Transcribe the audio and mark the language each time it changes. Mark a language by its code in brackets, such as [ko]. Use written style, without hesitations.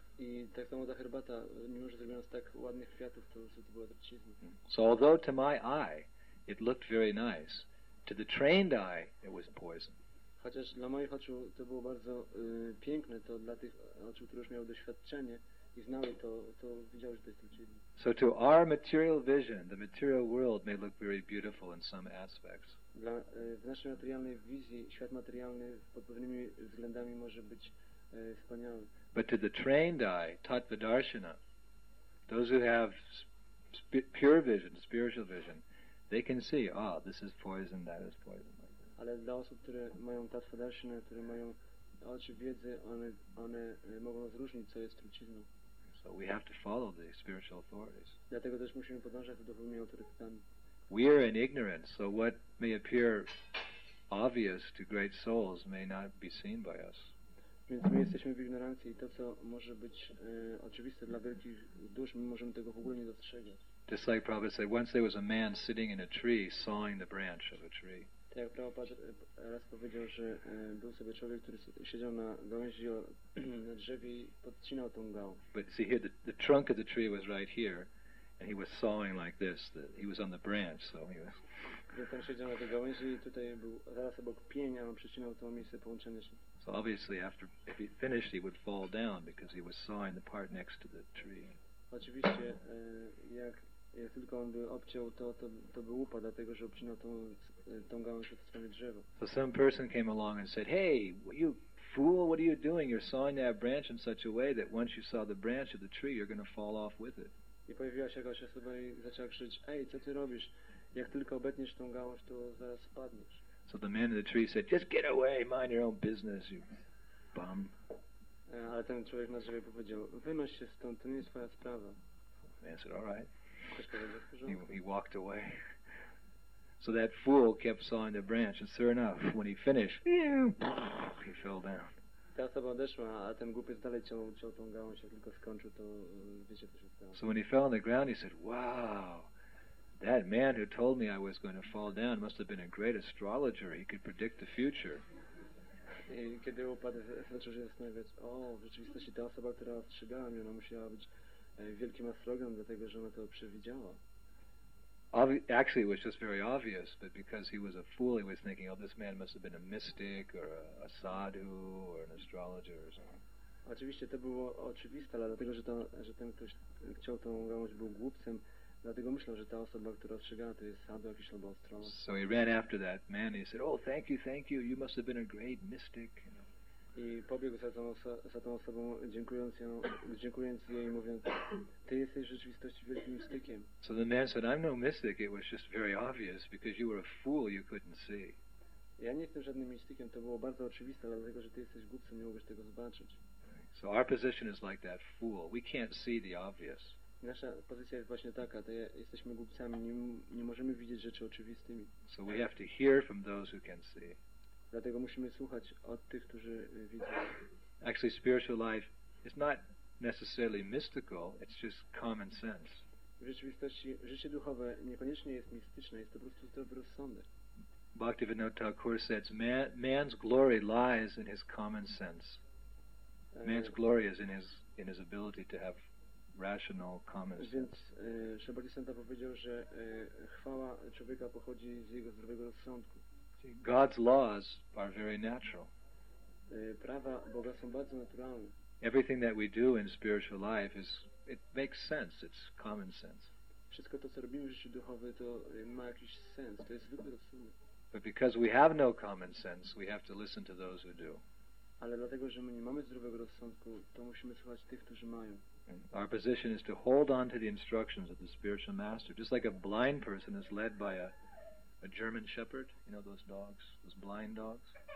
[pl] I tak samo ta herbata, mimo że zrobiono z tak ładnych kwiatów, to już to było trucizna. [en] So although to my eye, it looked very nice, to the trained eye, it was poison. [pl] Chociaż dla moich oczu to było bardzo piękne, to dla tych oczu, które już miały doświadczenie i znały to, to widziały, że to jest trucizna. [en] So to our material vision, the material world may look very beautiful in some aspects. [pl] W naszej materialnej wizji świat materialny pod pewnymi względami może być wspaniały. [en] But to the trained eye, Tattva Darshana, those who have pure vision, spiritual vision, they can see, ah, this is poison, that is poison. [pl] Ale dla osób, które mają Tattva Darshana, które mają oczy wiedzy, one mogą zróżnić, co jest trucizną. [en] So we have to follow the spiritual authorities. [pl] Dlatego też musimy podążać za duchowymi autorytetami. [en] We are in ignorance, so what may appear obvious to great souls may not be seen by us. [pl] Więc my jesteśmy w ignorancji i to, co może być oczywiste dla wielkich dusz, my możemy tego w ogóle nie dostrzegać. [en] Just like Prabhupada said, once there was a man sitting in a tree, sawing the branch of a tree. [pl] Tak jak Prabhupada raz powiedział, że był sobie człowiek, który siedział na gałęzi na drzewie i podcinał tą gałąź. [en] But see here, the trunk of the tree was right here. And he was sawing like this. He was on the branch, so he was. [pl] Gdy tam siedział na tej gałęzi, tutaj był zaraz obok pienia, on przecinał to miejsce połączenia się. [en] So obviously, after if he finished, he would fall down because he was sawing the part next to the tree. [pl] Oczywiście, jak tylko on by obciął to by upadł, dlatego że obcinał tą gałąź od strony drzewa. [en] So some person came along and said, "Hey, you fool! What are you doing? You're sawing that branch in such a way that once you saw the branch of the tree, you're going to fall off with it." [pl] I pojawiła się jakaś osoba i zaczęła krzyczeć, "Ej, co ty robisz? Jak tylko obetniesz tą gałąź, to zaraz spadniesz." [en] So the man in the tree said, "Just get away, mind your own business, you bum." [pl] Ale ten człowiek na drzewie powiedział, "Wynoś się stąd, to nie jest twoja sprawa." [en] The man said, "All right." [pl] Ktoś powiedział, w porządku. [en] He walked away. So that fool kept sawing the branch, and sure enough, when he finished, he fell down. [pl] Ta osoba odeszła, a ten głupiec dalej ciął tą gałąź, jak tylko skończył, to wiecie, co się stało. [en] So when he fell on the ground, he said, "Wow, that man who told me I was going to fall down must have been a great astrologer. He could predict the future." [pl] I kiedy upadł, zaczął się zastanawiać, o, w rzeczywistości ta osoba, która ostrzegała mnie, ona musiała być wielkim astrologiem, dlatego że ona to przewidziała. [en] Actually, it was just very obvious, but because he was a fool, he was thinking, "Oh, this man must have been a mystic or a sadhu or an astrologer or something." [pl] Oczywiście to było oczywiste, ale dlatego, że ten ktoś chciał tą gałąź, był głupcem, dlatego myślał, że ta osoba, która ostrzegała, to jest sadhu jakiś albo astrolog. [en] So he ran after that man and he said, "Oh, thank you, you must have been a great mystic." [pl] I pobiegł za tą osobą, dziękując jej i mówiąc, "Ty jesteś w rzeczywistości wielkim mistykiem." [en] So the man said, "I'm no mystic, it was just very obvious, because you were a fool, you couldn't see." [pl] Ja nie jestem żadnym mistykiem, to było bardzo oczywiste, dlatego że ty jesteś głupcem, nie mogłeś tego zobaczyć. [en] So our position is like that fool, we can't see the obvious. [pl] Nasza pozycja jest właśnie taka, to jesteśmy głupcami, nie możemy widzieć rzeczy oczywistymi. [en] So we have to hear from those who can see. [pl] Dlatego musimy słuchać od tych, którzy widzą. [en] Actually, spiritual life is not necessarily mystical, it's just common sense. [pl] W rzeczywistości życie duchowe niekoniecznie jest mistyczne, jest to po prostu zdrowy rozsądek. [en] Bhaktivinoda Thakur says, man's glory lies in his common sense. Man's glory is in his ability to have rational common sense. [pl] Więc Shabati Santa powiedział, że chwała człowieka pochodzi z jego zdrowego rozsądku. [en] God's laws are very natural. [pl] Prawa Boga są bardzo naturalne. [en] Everything that we do in spiritual life is, it makes sense, it's common sense. [pl] Wszystko to, co robimy w życiu duchowym, to ma jakiś sens, to jest zwykły rozsądek. [en] But because we have no common sense, we have to listen to those who do. [pl] Ale dlatego, że my nie mamy zdrowego rozsądku, to musimy słuchać tych, którzy mają. [en] Our position is to hold on to the instructions of the spiritual master, just like a blind person is led by a German shepherd, you know those dogs, those blind dogs.